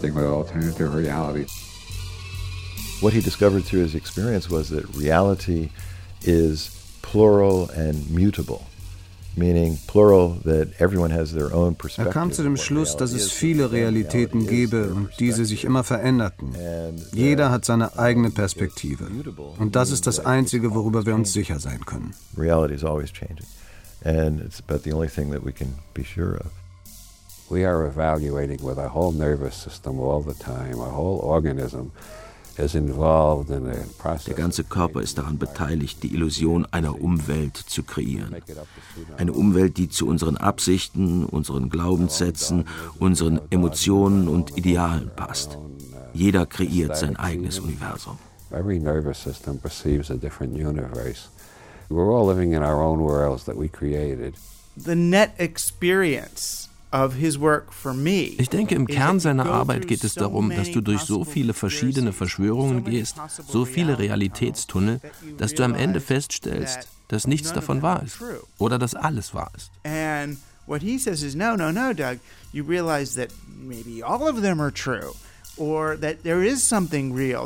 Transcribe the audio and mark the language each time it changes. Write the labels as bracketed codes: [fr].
[en] What he discovered through his experience was that reality is plural and mutable, meaning plural that everyone has their own perspective. [de] Er kam zu dem Schluss, dass es viele Realitäten gebe und diese sich immer veränderten. Jeder hat seine eigene Perspektive. Und das ist das Einzige, worüber wir uns sicher sein können. [en] Reality is always changing. And it's about the only thing that we can be sure of. We are evaluating with our whole nervous system all the time, our whole organism. [de] Der ganze Körper ist daran beteiligt, die Illusion einer Umwelt zu kreieren. Eine Umwelt, die zu unseren Absichten, unseren Glaubenssätzen, unseren Emotionen und Idealen passt. Jeder kreiert sein eigenes Universum. [en] Every nervous system perceives a different universe. We're all living in our own worlds that we created. The net experience. Of his work for me. [de] Ich denke, im Kern seiner Arbeit geht es darum, dass du durch so viele verschiedene Verschwörungen gehst, so viele Realitätstunnel, dass du am Ende feststellst, dass nichts davon wahr ist oder dass alles wahr ist. [en] And what he says is no, Doug, you realize that maybe all of them are true or that there is something real.